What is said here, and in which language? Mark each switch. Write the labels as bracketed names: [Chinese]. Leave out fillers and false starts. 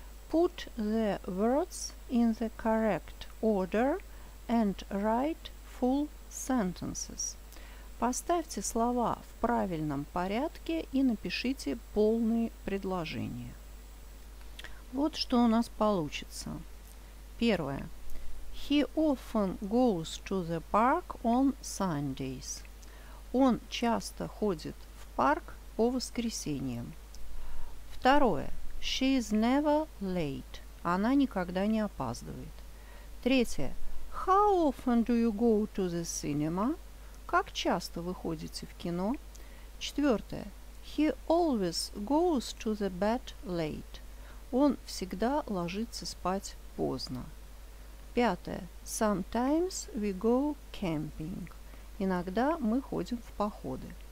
[English] Put the words in the correct order and write full sentences. [Russian] Поставьте слова в правильном порядке и напишите полные предложения. Вот что у нас получится. Первое. [English] He often goes to the park on Sundays. [Russian] Он часто ходит в парк по воскресеньям. Второе. [English] She is never late. [Russian] Она никогда не опаздывает. Третье. [English] How often do you go to the cinema? [Russian] Как часто вы ходите в кино? Четвертое. [English] He always goes to the bed late. [Russian] Он всегда ложится спать поздно. Пятое. [English] Sometimes we go camping. [Russian] Иногда мы ходим в походы.